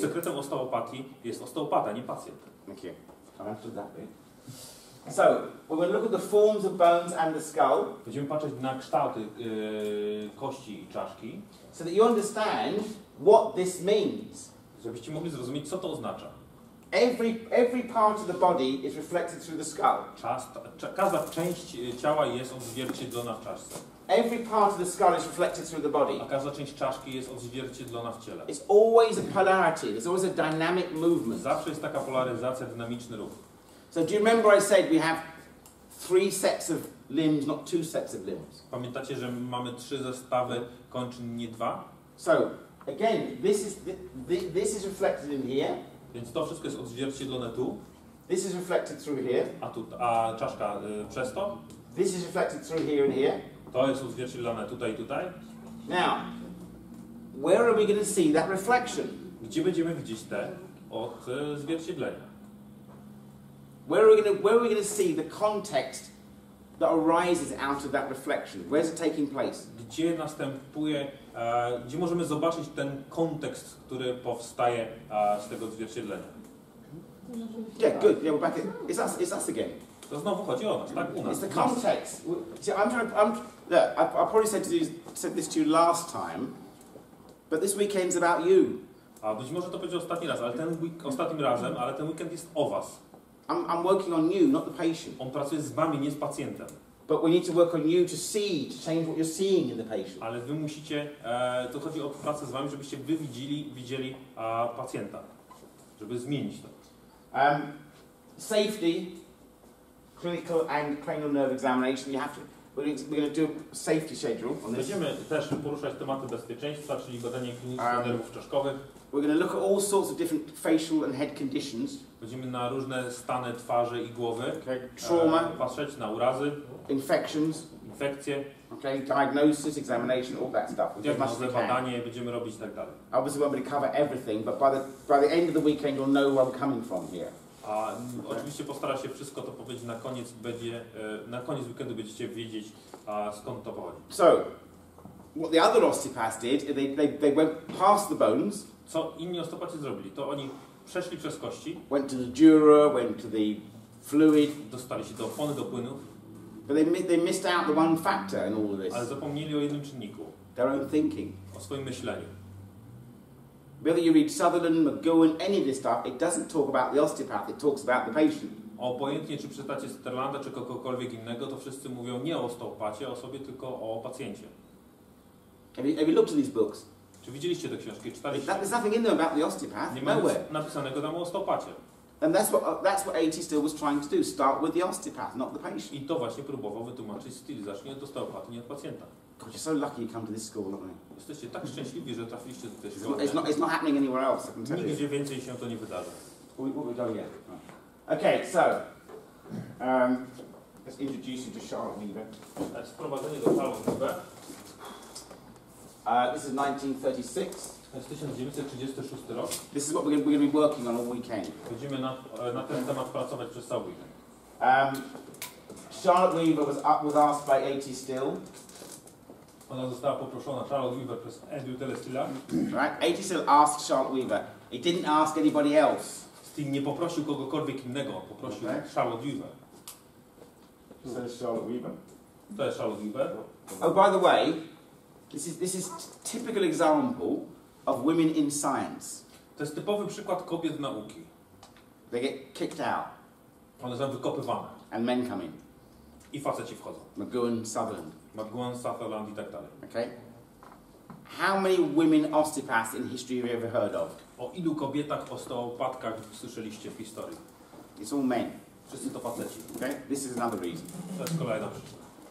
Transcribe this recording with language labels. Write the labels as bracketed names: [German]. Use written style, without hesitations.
[Polish] Sekretem osteopatii jest osteopata, nie pacjent. [English] Okay. So, we're going to look at the forms of bones and the skull. [Polish] Będziemy patrzeć na kształty kości i czaszki. [English] So that you understand what this means. [Polish] Żebyście mogli zrozumieć, co to oznacza. [English] Every part of the body is reflected through the skull. [Polish] Każda część ciała jest odzwierciedlona w czaszce. [English] Every part of the skull is reflected through the body. [Polish] A każda część czaszki jest odzwierciedlona w ciele. [English] It's always a polarity. There's always a dynamic movement. [Polish] Zawsze jest taka polaryzacja, dynamiczny ruch. [English] So do you remember I said we have three sets of limbs, not two sets of limbs? [Polish] Pamiętacie, że mamy trzy zestawy kończyn, nie dwa? [English] So again, this is reflected in here. [Polish] Więc to wszystko jest odzwierciedlone tu. [English] This is reflected through here. [Polish] A czaszka przez to? [English] This is reflected through here and here. [Polish] To jest odzwierciedlone tutaj i tutaj. [English] Now, where are we going to see that reflection? [Polish] Gdzie będziemy widzieć te odzwierciedlenia? [English] Where are we going to see the context that arises out of that reflection? Where's it taking place? [Polish] Gdzie następuje, gdzie możemy zobaczyć ten kontekst, który powstaje z tego odzwierciedlenia? [English] Yeah, good. Yeah, we're back. It's us again. [Polish] To znowu chodzi o nas, tak? U nas. [English] It's the context. See, I probably said this to you last time, but this weekend's about you. [Polish] A być może to powiedział ostatni raz, ale ten ostatnim razem, ale ten weekend jest o was. [English] I'm working on you, not the patient. [Polish] On pracuje z wami, nie z pacjentem. [English] But we need to work on you to see, to change what you're seeing in the patient. [Polish] Ale wy musicie, to chodzi o pracę z wami, żebyście wy widzieli pacjenta, żeby zmienić to. [English] Safety, clinical and cranial nerve examination. We're going to do a safety schedule on this. [Polish] Będziemy też poruszać tematy bezpieczeństwa, czyli badanie klinicznych nerwów czaszkowych. [English] We're going to look at all sorts of different facial and head conditions. [Polish] Będziemy na różne stany twarzy i głowy. [English] Okay. Trauma. [Polish] Patrzeć na urazy. [English] Infections. [Polish] Infekcje. [English] Okay. Diagnosis, examination, all that stuff. [Polish] Diagnozy, badanie, będziemy robić i tak dalej. [English] Obviously, we're going to cover everything, but by the end of the weekend, you'll know where I'm coming from here. [Polish] A oczywiście postara się wszystko to powiedzieć na koniec, na koniec weekendu będziecie wiedzieć, skąd to pochodzi. [English] So, what the other osteopaths did, they went past the bones. [Polish] Co inni osteopaci zrobili? To oni przeszli przez kości. [English] Went to the dura, went to the fluid. [Polish] Dostali się do opony, do płynów. [English] But they missed out the one factor in all of this. [Polish] Ale zapomnieli o jednym czynniku. [English] Their own thinking. [Polish] O swoim myśleniu. [English] Whether you read Sutherland, McKone, any of this stuff, it doesn't talk about the osteopath, it talks about the patient. [Polish] Obojętnie, czy przeczytacie Sutherlanda, czy kogokolwiek innego, to wszyscy mówią nie o osteopacie, o sobie, tylko o pacjencie. [English] Have you looked at these books? [Polish] Czy widzieliście te książki, czytaliście? [English] There's nothing in them about the osteopath, nowhere. [Polish] Nie ma nic napisanego tam o osteopacie. [English] And that's what AT still was trying to do, start with the osteopath, not the patient. [Polish] I to właśnie próbował wytłumaczyć Still, zacznij od osteopaty, nie od pacjenta. [English] God, you're so lucky you come to this school, aren't you? [Polish] Jesteście tak szczęśliwi, że trafiliście do tej szkoły. [English] It's not happening anywhere else, I can tell you. [Polish] Nigdzie więcej się to nie wydarzy. [English] We don't yet. Okay, so, let's introduce you to Charlotte Weaver. Let's [Polish] wprowadzenie do Charlotte Weaver. [English] This is 1936. [Polish] To jest 1936 rok. [English] This is what we're going to be working on all weekend. [Polish] Będziemy na ten temat pracować przez cały weekend. [English] Charlotte Weaver was asked by A.T. Still. [Polish] Ona została poproszona, Charlotte Weaver, przez Andrew Telestilla. [English] Right, A.T. Still asked Charlotte Weaver. He didn't ask anybody else. [Polish] Still nie poprosił kogokolwiek innego, poprosił Charlotte Weaver. To jest Charlotte Weaver. To jest Charlotte Weaver. [English] Oh, by the way, this is typical example of women in science. [Polish] To jest typowy przykład kobiet w nauki. [English] They get kicked out. [Polish] One są wykopywane. [English] And men come in. [Polish] I faceci wchodzą. [English] McGowan, Sutherland. [Polish] McGowan, Sutherland i tak dalej. [English] Okay. How many women osteopaths in history have you ever heard of? [Polish] O ilu kobietach osteopatkach słyszeliście w historii? [English] It's all men. [Polish] Wszyscy to faceci. [English] Okay. This is another reason. [Polish] To jest kolejna przyczyna.